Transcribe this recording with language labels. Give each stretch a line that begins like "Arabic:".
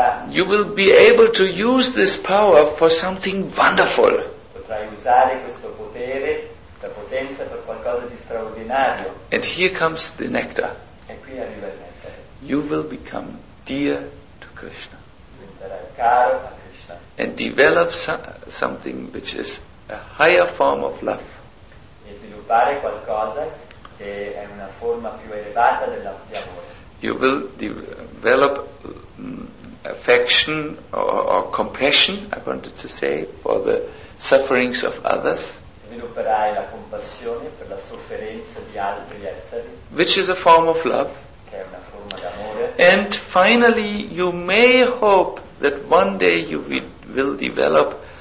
English: you will be able to use this power for something wonderful.
Italian: Potrai usare questo potere, questa potenza per qualcosa di straordinario.
English: And here comes the nectar.
Italian: E qui arriva il nectar.
English: You will become dear to Krishna.
Italian: Diventerai caro a Krishna.
English: And develop something which is a higher form of love.
Italian: E sviluppare qualcosa che è una forma più elevata di amore.
English: You will develop affection or compassion, I wanted to say, for the sufferings of others.
Italian: Svilupperai la compassione per la sofferenza di altri esseri.
English: Which is a form of love.
Italian: Che è una forma d'amore.
English: And finally, you may hope that one day you will develop